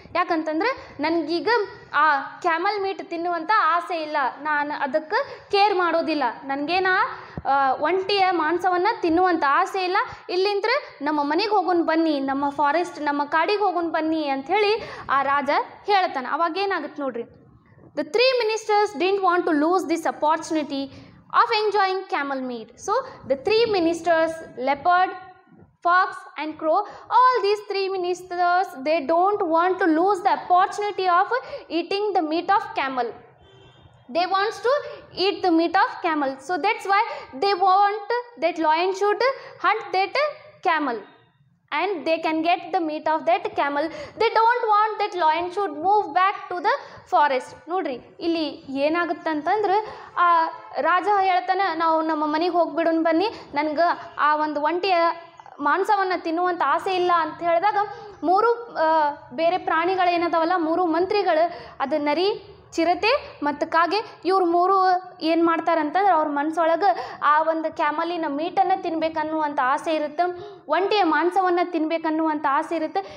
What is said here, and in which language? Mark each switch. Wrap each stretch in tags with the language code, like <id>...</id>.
<kn>ಯಾಕಂತಂದ್ರೆ ನನಗೀಗ ಆ ಕ್ಯಾಮಲ್ ಮೀಟ್ ತಿನ್ನುವಂಥ ಆಸೆ ಇಲ್ಲ, ನಾನು ಅದಕ್ಕೆ ಕೇರ್ ಮಾಡೋದಿಲ್ಲ, ನನಗೇನು ಆ ಒಂಟಿಯ ಮಾಂಸವನ್ನು ತಿನ್ನುವಂಥ ಆಸೆ ಇಲ್ಲ, ಇಲ್ಲಿಂದ್ರೆ ನಮ್ಮ ಮನೆಗೆ ಹೋಗೋನ್ ಬನ್ನಿ, ನಮ್ಮ ಫಾರೆಸ್ಟ್ ನಮ್ಮ ಕಾಡಿಗೆ ಹೋಗೋನ್ ಬನ್ನಿ ಅಂತ ಹೇಳಿ ಆ ರಾಜ ಹೇಳ್ತಾನೆ. ಅವಾಗ ಏನಾಗುತ್ತೆ ನೋಡ್ರಿ,</kn> <en>The three ministers didn't want to lose this opportunity of enjoying camel meat. So the three ministers, leopard, fox and crow, all these three ministers, they don't want to lose the opportunity of eating the meat of camel. They wants to eat the meat of camel. So that's why they want that lion should hunt that camel. And they can get the meat of that camel. They don't want that lion should move back to the forest.</en> <kn>ನೋಡ್ರಿ, ಇಲ್ಲಿ ಏನಾಗುತ್ತೆ ಅಂತಂದ್ರೆ ಆ ರಾಜ ಹೇಳ್ತಾನೆ, ನಾವು ನಮ್ಮ ಮನೆಗೆ ಹೋಗ್ಬಿಡೋಣ ಬನ್ನಿ, ನನಗೆ ಆ ಒಂದು ಒಂಟಿಯ ಮಾಂಸವನ್ನು ತಿನ್ನುವಂಥ ಆಸೆ ಇಲ್ಲ ಅಂತ ಹೇಳಿದಾಗ ಮೂರು ಬೇರೆ ಪ್ರಾಣಿಗಳು ಏನದವಲ್ಲ, ಮೂರು ಮಂತ್ರಿಗಳು, ಅದು ನರಿ, ಚಿರತೆ ಮತ್ತು ಕಾಗೆ, ಇವ್ರು ಮೂರು ಏನು ಮಾಡ್ತಾರಂತಂದ್ರೆ ಅವ್ರ ಮನಸ್ಸೊಳಗೆ ಆ ಒಂದು ಕ್ಯಾಮಲಿನ ಮೀಟನ್ನು ತಿನ್ಬೇಕನ್ನುವಂಥ ಆಸೆ ಇರುತ್ತೆ, ಒಂಟಿಯ ಮಾಂಸವನ್ನು ತಿನ್ಬೇಕನ್ನುವಂಥ ಆಸೆ ಇರುತ್ತೆ.</kn>